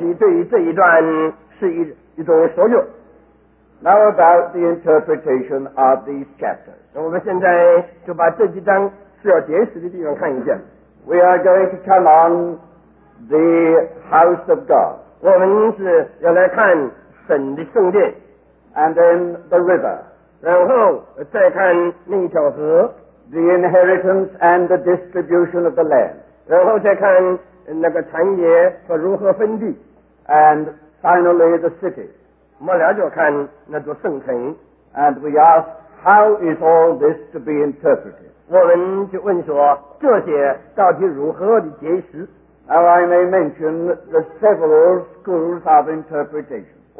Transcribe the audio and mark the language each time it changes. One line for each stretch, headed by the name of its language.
Chinese: 那些原则尤其对于这一段是一种所有。
English: Now about the interpretation of these chapters.
Chinese: 我们现在就把这几章需要解释的地方看一下。
English: We are going to come on the house of God.
Chinese: 我们是要来看神的圣殿,
English: and then the river,
Chinese: 然后再看那一条河,
English: the inheritance and the distribution of the land,
Chinese: 然后再看那个产业和如何分地,
English: and finally the city,
Chinese: 我们了解看那座圣城,
English: and we ask, how is all this to be interpreted?
Chinese: 我们就问说,这些到底如何的解释?
English: Now I may mention the several schools of interpretation.